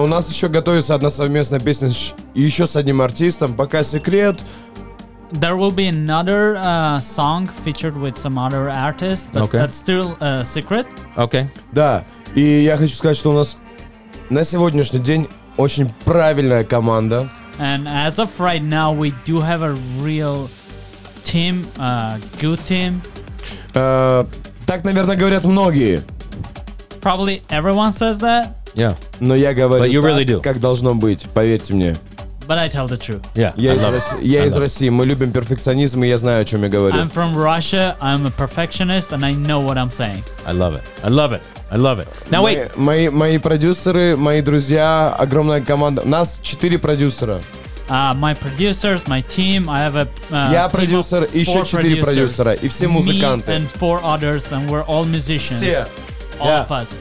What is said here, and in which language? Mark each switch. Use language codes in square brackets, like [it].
[ru] У нас еще готовится одна совместная песня еще с одним артистом. Пока секрет. [en] There will be another song featured with some other artist, but okay. That's still a secret. Okay. [ru] Да, и я хочу сказать, что у нас на сегодняшний день очень правильная команда. [en] And as of right now, we do have a real team, a good team. [ru] Так, наверное, говорят многие. [en] Probably everyone says that. Yeah. [ru] Но я говорю так, [en] really [ru] как должно быть, поверьте мне. [en] But I tell the truth. [ru] Я из России. Мы любим перфекционизм, и я знаю, о чем я говорю. [en] I'm from Russia. I'm a perfectionist, and I know what I'm saying. I love it. Now wait. [ru] Мои продюсеры, мои друзья, огромная команда. Нас 4 продюсера. [en] My producers, my team. I have a. [ru] Я продюсер, еще 4 продюсера, и все музыканты. [en] Me and 4 others, and we're all musicians. [ru] Все. [en] All of us.